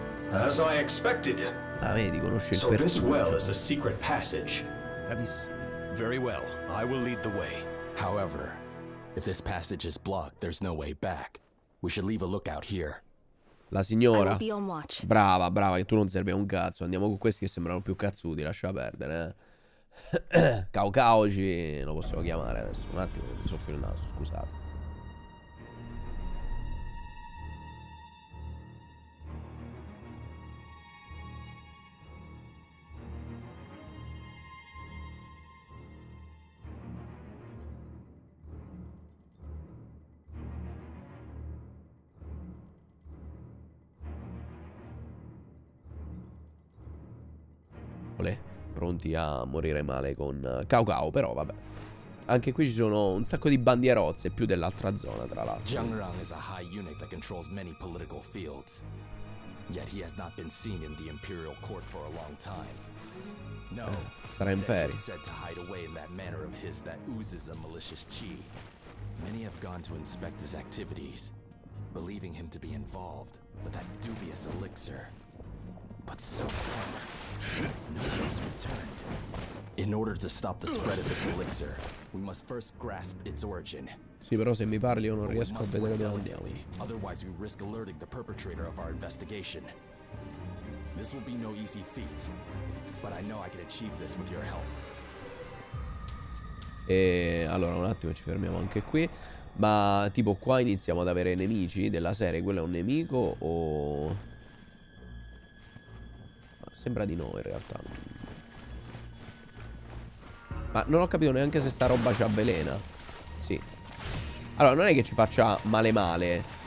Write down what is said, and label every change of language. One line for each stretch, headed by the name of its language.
English: As I expected. So this well is a secret passage. Very well, I will lead the way. However, if this passage is blocked, there's no way back. We should leave a lookout here.
Italian: La signora. Brava, brava, che tu non serve un cazzo. Andiamo con questi che sembrano più cazzuti, lascia perdere, eh. Cao Cao ci lo possiamo chiamare adesso. Un attimo, mi soffio il naso, scusate. Pronti a morire male con Cao Cao, però vabbè. Anche qui ci sono un sacco di bandierozze, più dell'altra zona, tra l'altro.
English: Jiang Rang is a high unit that controls many political fields. Yet he has not been seen in the imperial court for a long time.
Italian: No. Sarà in ferie.
English: He's said to hide away in that manner of his that oozes a malicious chi. Many have gone to inspect his activities, believing him to be involved with that dubious elixir. But so far, no one has returned. In order to stop the spread of this elixir, we must first grasp its origin.
Italian: Sì, però se mi parli io non riesco a vedere dove andiamo.
English: Otherwise we risk alerting the perpetrator of our investigation. This will be no easy feat, but I know I can achieve this with your help.
Italian: E allora un attimo, ci fermiamo anche qui. Ma tipo qua iniziamo ad avere nemici della serie. Quello è un nemico o... Sembra di no, in realtà. Ma non ho capito neanche se sta roba ci avvelena. Sì. Allora, non è che ci faccia male male.